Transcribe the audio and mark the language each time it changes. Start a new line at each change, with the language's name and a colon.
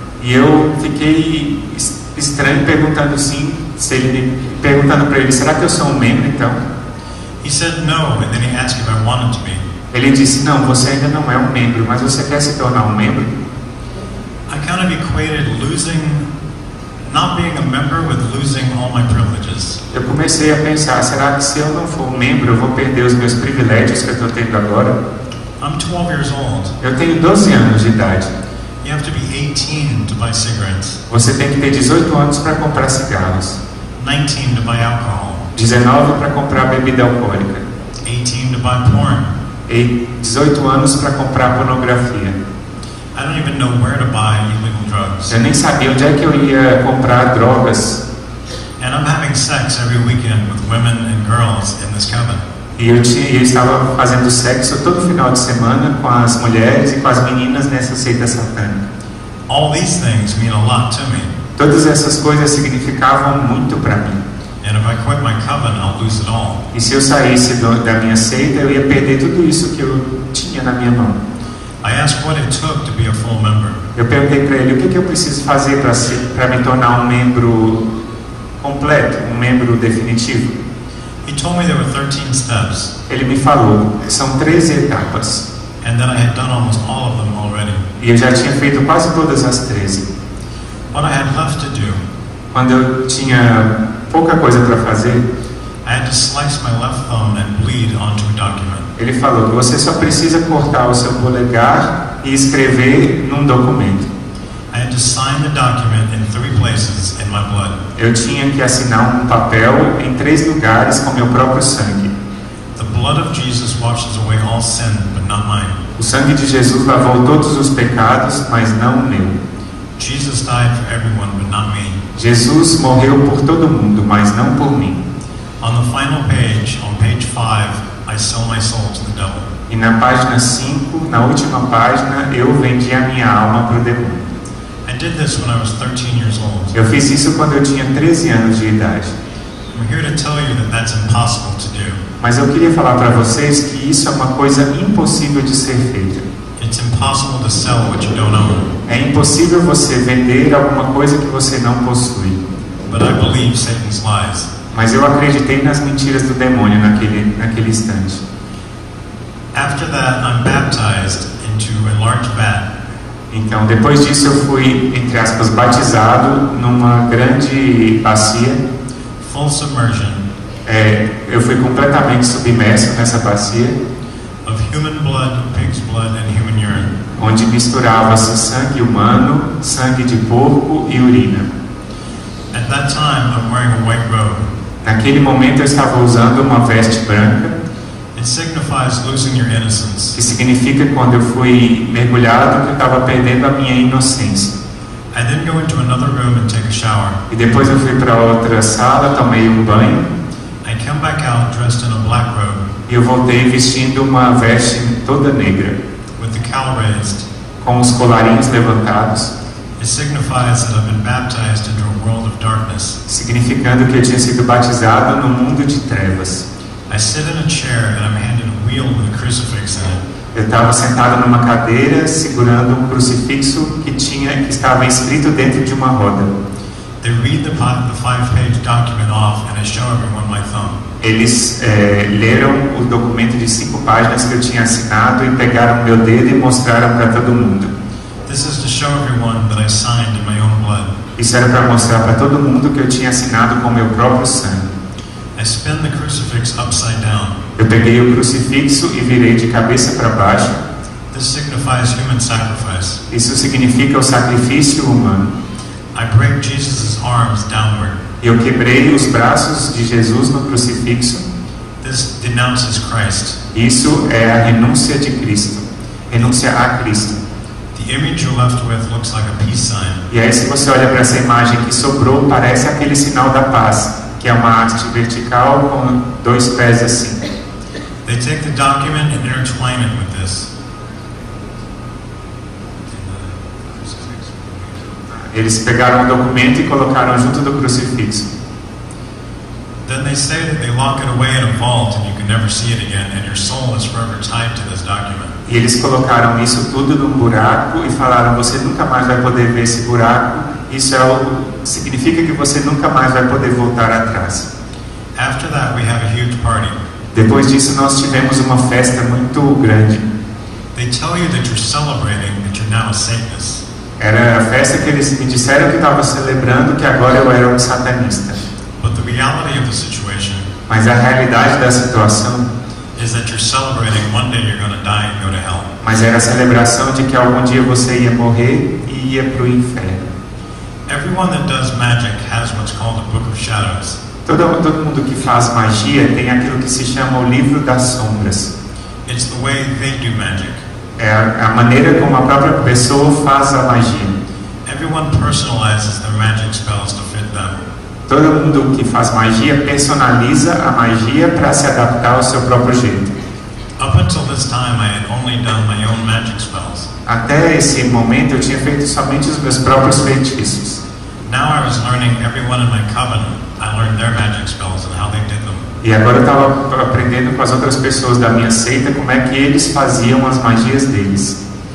Portuguese: E eu fiquei estranho perguntando sim, se ele, perguntando para ele, será que eu sou um membro então?
English: He said no, and then he asked if I wanted to be.
Portuguese: Ele disse não, você ainda não é um membro, mas você quer se tornar um membro?
English: I kind of equated losing not being a member with losing all my privileges.
Portuguese: Eu comecei a pensar, será que se eu não for um membro, eu vou perder os meus privilégios que eu estou tendo agora?
English: I'm 12 years old.
Portuguese: Eu tenho 12 anos de idade.
English: You have to be 18 to buy cigarettes.
Portuguese: Você tem que ter 18 anos para comprar cigarros.
English: 19 to buy alcohol.
Portuguese: 19 para comprar bebida alcoólica.
English: 18 to buy porn.
Portuguese: E 18 anos para comprar pornografia.
English: I don't even know where to buy illegal drugs.
Portuguese: Eu nem sabia onde é que eu ia comprar drogas.
English: And I'm having sex every weekend with women and girls in this cabin.
Portuguese: E eu estava fazendo sexo todo final de semana com as mulheres e com as meninas nessa seita satânica.
English: All these things mean a lot to me.
Portuguese: Todas essas coisas significavam muito para mim.
English: And if I quit my coven, I'll lose it all.
Portuguese: E se eu saísse da minha seita, eu ia perder tudo isso que eu tinha na minha mão.
English: I asked what it took to be a full member.
Portuguese: Eu perguntei para ele, o que eu preciso fazer para me tornar um membro completo, um membro definitivo?
English: He told me there were 13 steps.
Portuguese: Ele me falou, são 13 etapas.
English: And then I had done almost all of them already.
Portuguese: E eu já tinha feito quase todas as 13.
English: What I had left to do.
Portuguese: Quando eu tinha pouca coisa para fazer.
English: I had to slice my left thumb and bleed onto a document.
Portuguese: Ele falou que você só precisa cortar o seu polegar e escrever num documento.
English: I had to sign the document in 3 places in my blood.
Portuguese: Eu tinha que assinar um papel em 3 lugares com meu próprio sangue.
English: The blood of Jesus washes away all sin, but not mine.
Portuguese: O sangue de Jesus lavou todos os pecados, mas não o meu.
English: Jesus died for everyone, but not me.
Portuguese: Jesus morreu por todo mundo, mas não por mim.
English: On the final page, on page 5, I sold my soul to the devil.
Portuguese: E na página 5, na última página, eu vendi a minha alma para o demônio.
English: I did this when I was 13 years old.
Portuguese: Eu fiz isso quando eu tinha 13 anos de idade.
English: I'm here to tell you that that's impossible to do.
Portuguese: Mas eu queria falar para vocês que isso é uma coisa impossível de ser feita.
English: It's impossible to sell what you don't own.
Portuguese: É impossível você vender alguma coisa que você não possui.
English: But I believe Satan's lies.
Portuguese: Mas eu acreditei nas mentiras do demônio naquele instante.
English: After that, I'm baptized into a large vat.
Portuguese: Então, depois disso, eu fui, entre aspas, batizado numa grande bacia.
English: Full submersion.
Portuguese: É, eu fui completamente submerso nessa bacia.
English: Of human blood, pig's blood, and human urine.
Portuguese: Onde misturava-se sangue humano, sangue de porco e urina.
English: At that time, I'm wearing a white robe.
Portuguese: Naquele momento, eu estava usando uma veste branca.
English: It signifies losing your innocence.
Portuguese: Que significa quando eu fui mergulhado que eu estava perdendo a minha inocência.
English: I then go into another room and take a shower.
Portuguese: E depois eu fui para outra sala, tomei um banho.
English: I come back out dressed in a black robe.
Portuguese: E eu voltei vestindo uma veste toda negra.
English: With the cowl raised.
Portuguese: Com os colarinhos levantados.
English: It signifies that I've been baptized into a world of darkness.
Portuguese: Significando que eu tinha sido batizado no mundo de trevas.
English: I sit in a chair and I'm handed a wheel with a crucifix in it.
Portuguese: Eu estava sentado numa cadeira segurando um crucifixo que estava escrito dentro de uma roda.
English: They read the 5-page document off and I show everyone my thumb.
Portuguese: Eles leram o documento de 5 páginas que eu tinha assinado e pegaram meu dedo e mostraram para todo mundo.
English: This is to show everyone that I signed in my own blood.
Portuguese: Isso era para mostrar para todo mundo que eu tinha assinado com meu próprio sangue.
English: I spin the crucifix upside down.
Portuguese: Eu peguei o crucifixo e virei de cabeça para baixo.
English: This signifies human sacrifice.
Portuguese: Isso significa o sacrifício humano.
English: I break Jesus' arms downward.
Portuguese: Eu quebrei os braços de Jesus no crucifixo.
English: This denounces Christ.
Portuguese: Isso é a renúncia de Cristo. Renúncia a Cristo.
English: The image you're left with looks like a peace sign.
Portuguese: E aí, se você olha para essa imagem que sobrou, parece aquele sinal da paz, que é uma haste vertical com dois pés assim.
English: They take the document and intertwine it with this.
Portuguese: Eles pegaram o documento e colocaram junto do crucifixo.
English: Then they say that they lock it away in a vault and you can never see it again and your soul is forever tied to this document.
Portuguese: E eles colocaram isso tudo num buraco e falaram: você nunca mais vai poder ver esse buraco. Isso é algo, significa que você nunca mais vai poder voltar atrás.
English: After that we have a huge party.
Portuguese: Depois disso nós tivemos uma festa muito grande.
English: They tell you that you're celebrating that you're now a Satanist.
Portuguese: Era a festa que eles me disseram que estava celebrando que agora eu era um satanista.
English: But the reality of the situation,
Portuguese: mas a realidade da situação
English: is that you're celebrating one day you're gonna die and go to hell.
Portuguese: Mas era a celebração de que algum dia você ia morrer e ia para o inferno.
English: Everyone that does magic has what's called a book of shadows.
Portuguese: Todo mundo que faz magia tem aquilo que se chama o livro das sombras.
English: It's the way they do magic.
Portuguese: É a maneira como a própria pessoa faz a magia.
English: Everyone personalizes their magic spells to fit them.
Portuguese: Todo mundo que faz magia personaliza a magia para se adaptar ao seu próprio jeito.
English: Up until this time, I had only done my own magic spells.
Portuguese: Até esse momento eu tinha feito somente os meus próprios feitiços.
English: Now I was learning everyone in my coven. I learned their magic spells and how they did them.
Portuguese: E agora eu estava aprendendo com as outras pessoas da minha seita como é que eles faziam as magias deles.